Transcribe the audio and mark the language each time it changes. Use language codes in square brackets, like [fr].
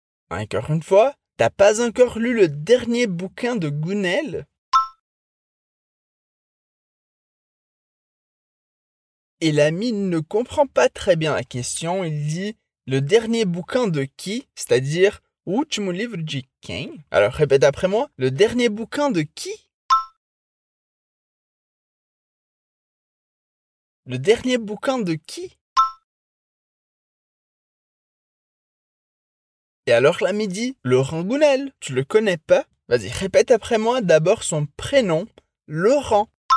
[fr] Encore une fois, t'as pas encore lu le dernier bouquin de Gounel ? Et l'ami ne comprend pas très bien la question. Il dit, le dernier bouquin de qui ? C'est-à-dire, [pt] último livro de quem ? [fr] Alors répète après moi, le dernier bouquin de qui ? Le dernier bouquin de qui ? Et alors l'ami dit, Laurent Gounel, tu le connais pas? Vas-y, répète après moi d'abord son prénom, Laurent.